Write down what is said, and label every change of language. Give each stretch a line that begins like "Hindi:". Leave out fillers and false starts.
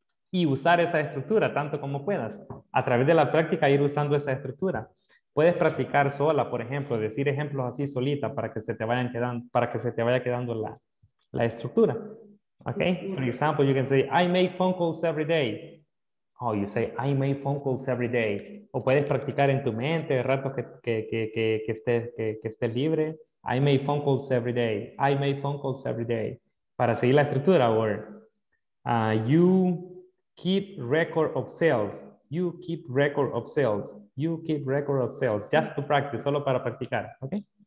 Spanish: Y usar esa estructura tanto como puedas. A través de la práctica ir usando esa estructura. Puedes practicar sola, por ejemplo, decir ejemplos así solita para que se te vayan quedando, para que se te vaya quedando la estructura.
English: Okay? For example, you can say, I make phone calls every day. Oh, you say, I make phone calls every day.
Spanish: O puedes practicar en tu mente, ratos que estés libre.
English: I make phone calls every day. I make phone calls every day.
Spanish: Para seguir la estructura,
English: or you keep record of sales. You keep record of sales. You keep record of sales. Just to practice.
Spanish: Solo para practicar.
English: Okay?